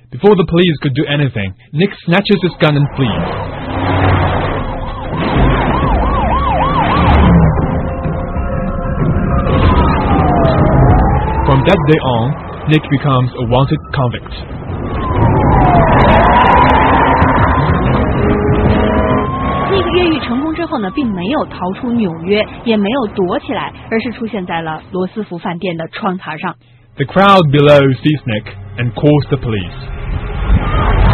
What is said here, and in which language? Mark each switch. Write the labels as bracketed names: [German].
[English] Before the police could do anything, Nick snatches his gun and flees. From that day on, Nick becomes a wanted convict. [Chinese] 越狱成功之后呢，并没有逃出纽约，也没有躲起来，而是出现在了罗斯福饭店的窗台上。 [English] The crowd below sees Nick and calls the police.